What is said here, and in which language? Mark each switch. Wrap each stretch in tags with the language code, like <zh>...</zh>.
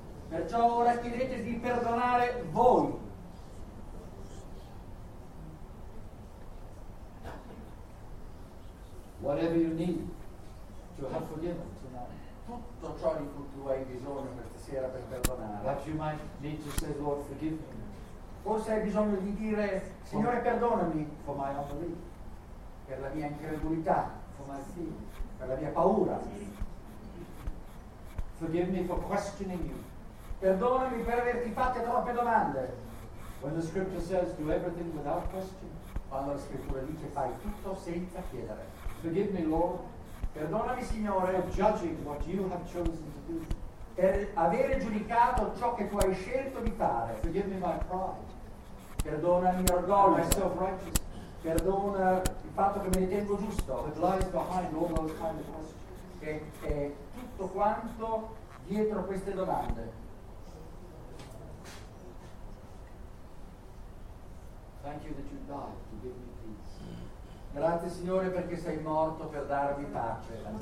<it>Perciò ora chiedete di perdonare voi.</it> <en>Whatever you need to have forgiven tonight.</en> <it>Tutto ciò di cui tu hai bisogno questa sera per perdonare.</it> <en>Perhaps you might need to say, Lord, forgive me.</en> <it>Forse hai bisogno di dire, Signore, perdonami.</it> <en>For my unbelief.</en> <it>Per la mia incredulità.</it> <en>For my fear.</en> <it>Per la mia paura.</it> <en>Forgive me for questioning you.</en> <it>Perdonami per averti fatto troppe domande.</it> <en>When the scripture says, do everything without question.</en> <it>Quando la scrittura dice, fai tutto senza chiedere.</it> <en>Forgive me, Lord.</en> <it>Perdonami, Signore.</it> <en>For judging what you have chosen to do.</en> <it>Per avere giudicato ciò che tu hai scelto di fare.</it> <en>Forgive me my pride.</en> <it>Perdona il mio orgoglio.</it> <en>My self-righteousness.</en> <it>Perdona il fatto che mi ritengo giusto.</it> <en>That lies behind all those kind of questions.</en> <it>Che è tutto quanto dietro queste domande.</it> <en>Thank you that you died to give me peace.</en> <it>Grazie, Signore, perché sei morto per darmi pace.</it>